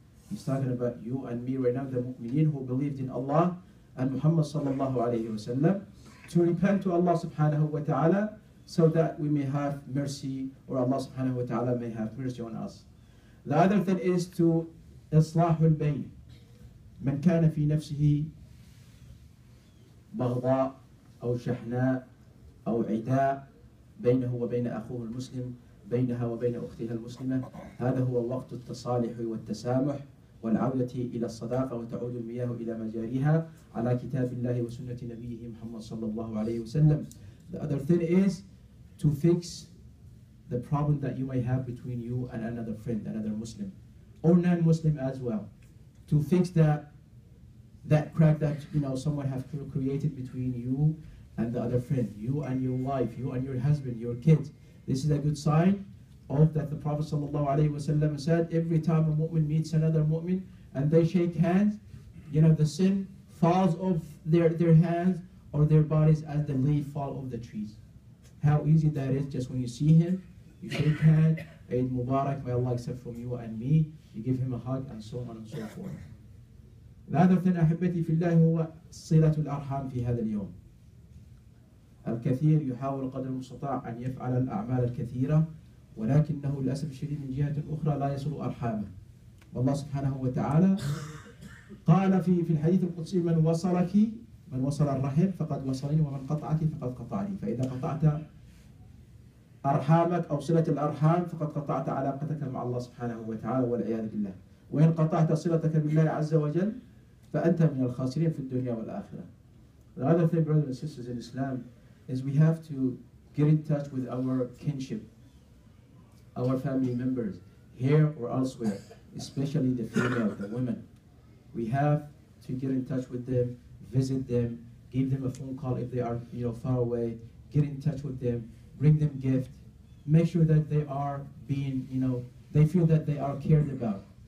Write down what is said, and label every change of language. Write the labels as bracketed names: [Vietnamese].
[English] He's talking about you and me right now, the mu'mineen who believed in Allah and Muhammad sallallahu alayhi wa sallam, to repent to Allah subhanahu wa ta'ala so that we may have mercy, or Allah subhanahu wa ta'ala may have mercy on us. The other thing is to islahu al-bayn. [Arabic] Man kana fi nafsihi baghdaa aw shahnaa aw idaa baynahu wa bayna akhuhu al-muslim بينها وبين أختها المسلمة هذا هو وقت التصالح والتسامح والعودة إلى الصداقة وتعود المياه إلى مجاريها على كتاب الله وسنة نبيه محمد صلى الله عليه وسلم. [English] The other thing is to fix the problem that you may have between you and another friend, another Muslim or non-Muslim as well. To fix that crack that, you know, someone has created between you and the other friend, you and your wife, you and your husband, your kids. This is a good sign of that. The Prophet sallallahu alaihi wasallam said, every time a mu'min meets another mu'min and they shake hands, you know, the sin falls off their hands or their bodies as the leaves fall off the trees. How easy that is, just when you see him, you shake hands, Eid Mubarak, may Allah accept from you and me, you give him a hug and so on and so forth. The other thing, [Arabic] أحبتي في الله هو صلة الأرحام في هذا اليوم. الكثير يحاول قدر المستطاع أن يفعل الأعمال الكثيرة ولكنه للأسف الشديد من جهة أخرى لا يصل أرحامه. والله سبحانه وتعالى قال في الحديث القدسي, من وصلك من وصل الرحم فقد وصلني ومن قطعك فقد قطعني. فإذا قطعت أرحامك أو صلة الأرحام فقد قطعت علاقتك مع الله سبحانه وتعالى والعياذ بالله, وإن قطعت صلتك بالله عز وجل فأنت من الخاسرين في الدنيا والآخرة. [English] The other thing, brothers and sisters in Islam, is we have to get in touch with our kinship, our family members, here or elsewhere, especially the female, the women. We have to get in touch with them, visit them, give them a phone call if they are, you know, far away, get in touch with them, bring them gift, make sure that they are being, you know, they feel that they are cared about.